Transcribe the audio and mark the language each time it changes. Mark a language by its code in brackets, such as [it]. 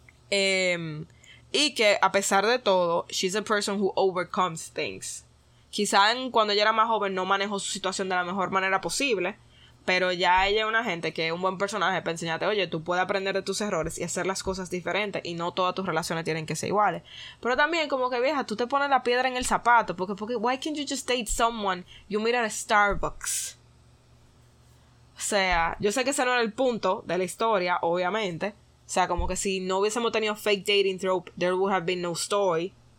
[es] Y que, a pesar de todo, [en] she's a person who overcomes things. [es] Quizá cuando ella era más joven no manejó su situación de la mejor manera posible. Pero ya ella es una gente que es un buen personaje para enseñarte, oye, tú puedes aprender de tus errores y hacer las cosas diferentes. Y no todas tus relaciones tienen que ser iguales. Pero también, como que vieja, tú te pones la piedra en el zapato. [en] Porque why can't you just date someone you meet at a Starbucks? [es] O sea, yo sé que ese no era el punto de la historia, obviamente. O sea, como que si no hubiésemos tenido [en] fake dating trope, there would have been no story.